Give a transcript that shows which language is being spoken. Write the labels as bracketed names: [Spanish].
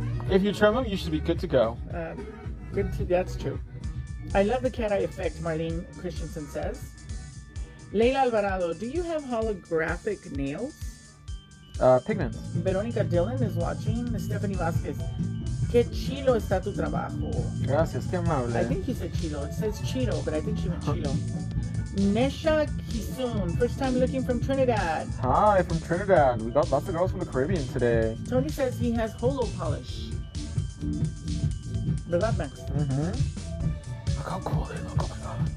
[English] If you trim them, you should be good to go. That's true. I love the cat eye effect, Marlene Christensen says. Leila Alvarado, do you have holographic nails? Pigments. Veronica Dillon is watching. Stephanie Vasquez. [Spanish] Que chilo está tu trabajo. Gracias, que amable. [English] I think he said chilo. It says chilo, but I think she meant chilo. Nesha Kisun, first time looking from Trinidad. Hi, from Trinidad. We got lots of girls from the Caribbean today. Tony says he has holo polish. [Spanish] Verdad, Max? [English] Mm-hmm. Look how cool they look. Oh my god.